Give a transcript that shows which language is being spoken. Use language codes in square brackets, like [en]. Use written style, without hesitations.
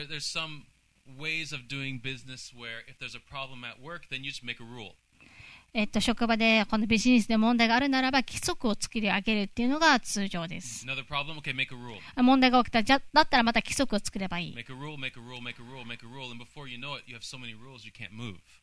[en] There's some ways of doing business where if there's a problem at work, then you just make a rule. [ja] 職場でこのビジネスで問題があるならば規則を作り上げるっていうのが通常です。 [en] Another problem? Okay, make a rule. [ja] 問題が起きたじゃだったらまた規則を作ればいい。 [en] Make a rule, make a rule, make a rule, make a rule, and before you know it, you have so many rules you can't move.